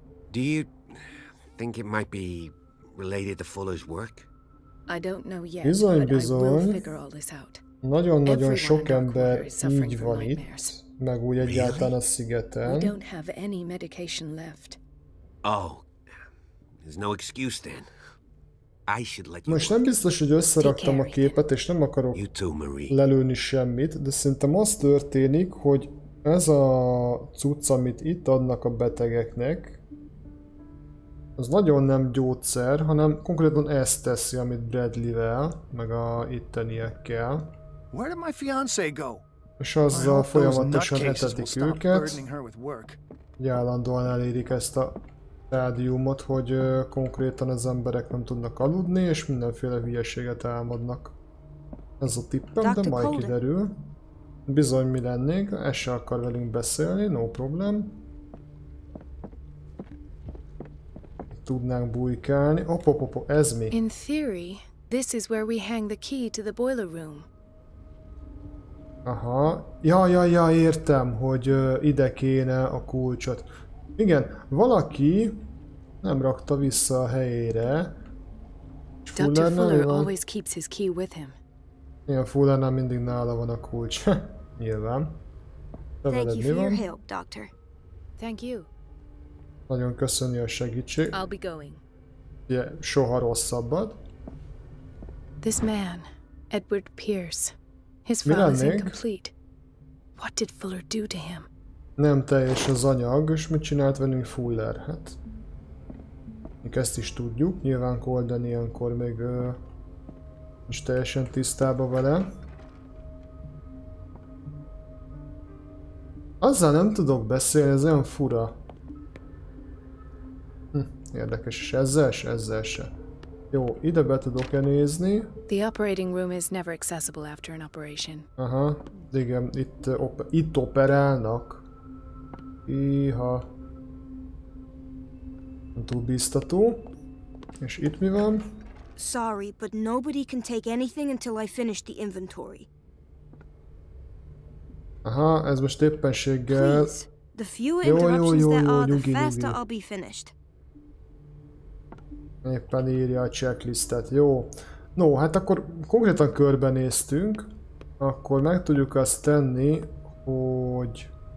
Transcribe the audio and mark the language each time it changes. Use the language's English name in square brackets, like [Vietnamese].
[English] Do you think it might be related to Fuller's work? I don't know yet, [Hungarian] bizony, bizony. [English] But I will figure all this out. [Hungarian] Nagyon-nagyon sok ember így van itt, meg úgy egyáltalán a szigeten. [English] We don't have any medication left. Oh, there's no excuse then. I should let you. [Hungarian] Most nem biztos, hogy összeraktam a képet, és nem akarok lelőni semmit, de szerintem az történik, hogy ez a cucc, amit itt adnak a betegeknek, az nagyon nem gyógyszer, hanem konkrétan ezt teszi, amit Bradley-vel, meg a itteniekkel. [English] Where did my fiancé go? [Hungarian] És azzal folyamatosan etetik őket. Ugye állandóan elérik ezt a rádiumot, hogy konkrétan az emberek nem tudnak aludni, és mindenféle hülyeséget álmodnak. Ez a tippem, de majd kiderül. Bizony, mi lennék, ez se akar velünk beszélni, [English] no problem. [Hungarian] Tudnánk bujkálni. Opopopo, ez mi? [English] In theory, this is where we hang the key to the boiler room. [Hungarian] Aha. Ja, értem, hogy ide kéne a kulcsot. Igen, valaki nem rakta vissza a helyére. [English] Fuller, Dr. Fuller always keeps his key with him. [Hungarian] Igen, Fullernál mindig nála van a kulcs. Nyilván. Te veled mi van? [English] Thank you for your help, doctor. Thank you. [Hungarian] Nagyon köszönjük a segítség. [English] I'll be going. [Hungarian] Yeah, soha rosszabbad. [English] This man, Edward Pierce. His file is incomplete. What did Fuller do to him? [Hungarian] Nem teljes az anyag, és mit csinált velünk Fuller? Hát, még ezt is tudjuk. Nyilván Colden ilyenkor még Most teljesen tisztába vele. Azzal nem tudok beszélni, ez olyan fura. Érdekes, és ezzel se. Jó, ide be tudok-e nézni? [English] The operating room is never accessible after an operation. [Hungarian] Aha, igen, itt, itt operálnak. Iha. Nem túl biztató. És itt mi van? [English] Sorry, but nobody can take anything until I finish the inventory. [Hungarian] Aha, ez most éppenséggel... [English] Please, the fewer interruptions there are, the faster I'll be finished. [Hungarian] Éppen írja a checklistet, jó. No, hát akkor konkrétan körbenéztünk. Akkor meg tudjuk azt tenni, hogy...